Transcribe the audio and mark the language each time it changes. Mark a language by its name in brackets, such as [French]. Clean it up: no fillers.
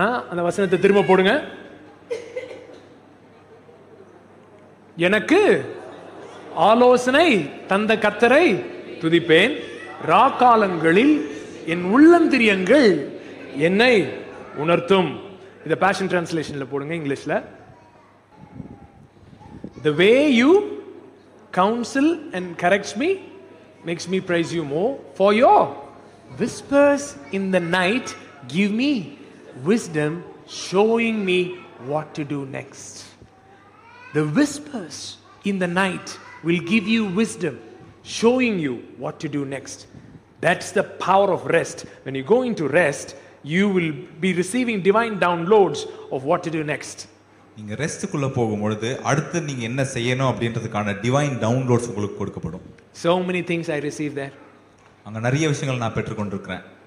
[Tamil] அந்த வசனத்தை திரும்ப போடுங்க, எனக்கு ஆலோசனை தந்த கர்த்தரை துதிப்பேன், ராக்காலங்களில் என் உள்ளந்திரியங்கள் என்னை உணர்த்தும். இதை பேஷன் டிரான்ஸ்லேஷன்ல போடுங்க இங்கிலீஷ்ல. [English] The way you counsel and corrects me makes me praise you more. For your whispers in the night give me wisdom, showing me what to do next. The whispers in the night will give you wisdom, showing you what to do next. That's the power of rest. When you go into rest, you will be receiving divine downloads of what to do next. [Tamil] நீங்க ரெஸ்ட்க்குள்ள போகும்போது அடுத்து நீங்க என்ன செய்யணும் அப்படிங்கிறதுக்கான [English] divine downloads [Tamil] உங்களுக்கு கொடுக்கப்படும். [English] So many things I receive there. [Tamil] அங்க நிறைய விஷயங்கள் நான் பெற்றுக்கொண்டிருக்கிறேன்.